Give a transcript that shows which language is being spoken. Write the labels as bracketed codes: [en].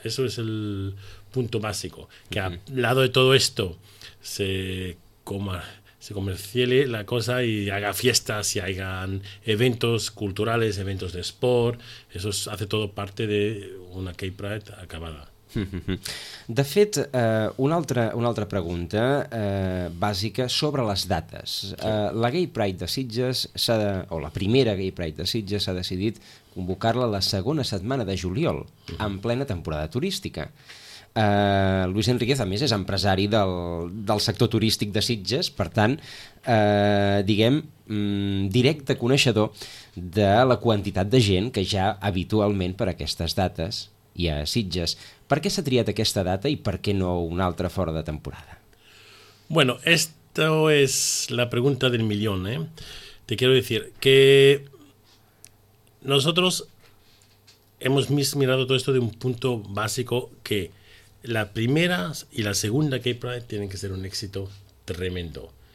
[es] Eso es el punto básico. Que uh-huh. al lado de todo esto se comerciale la cosa y haga fiestas y hagan eventos culturales, eventos de sport. Eso hace todo parte de una Gay Pride acabada. [ca] De fet, una altra pregunta bàsica sobre les dates. La Gay Pride de Sitges la primera Gay Pride de Sitges s'ha decidit convocar-la la segona setmana de juliol, en plena temporada turística. Luis Enriquez, a més, és empresari del sector turístic de Sitges, per tant, diguem, directe coneixedor de la quantitat de gent que ja habitualment per aquestes dates hi ha a Sitges. Per què s'ha triat aquesta data i per què no una altra fora de temporada? [es] Bueno, esto es la pregunta del millón, ¿eh? Te quiero decir que nosotros hemos mirado todo esto de un punto básico, que la primera y la segunda Gay Pride tienen que ser un éxito tremendo.